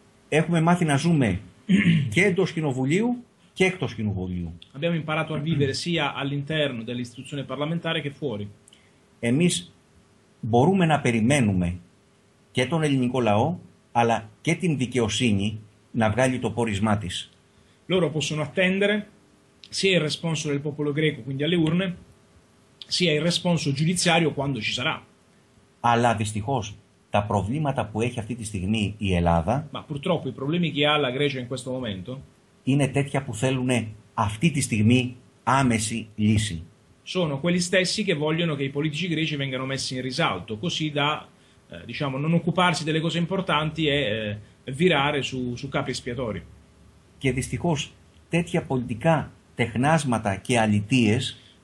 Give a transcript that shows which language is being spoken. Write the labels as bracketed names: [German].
[Greek] Έχουμε μάθει να ζούμε και εντός κοινοβουλίου και εκτός κοινοβουλίου. [Italian] Abbiamo imparato a vivere sia all'interno dell'istituzione parlamentare che fuori. [Greek] Εμείς μπορούμε να περιμένουμε και τον ελληνικό λαό, αλλά και την δικαιοσύνη να βγάλει το πόρισμά της. [Italian] Loro possono attendere sia il responso del popolo greco, quindi alle urne, sia il responso giudiziario quando ci sarà. [Greek] Αλλά δυστυχώς τα προβλήματα που έχει αυτή τη στιγμή η Ελλάδα. [Italian] Ma purtroppo i problemi che ha la Grecia in questo momento [Greek] είναι τέτοια που θέλουν αυτή τη στιγμή άμεση λύση. [Italian] Sono quelli stessi che vogliono che i politici greci vengano messi in risalto, così da diciamo non occuparsi delle cose importanti e virare su capi espiatori. [Greek] Και δυστυχώς τέτοια πολιτικά τεχνάσματα και αλητίες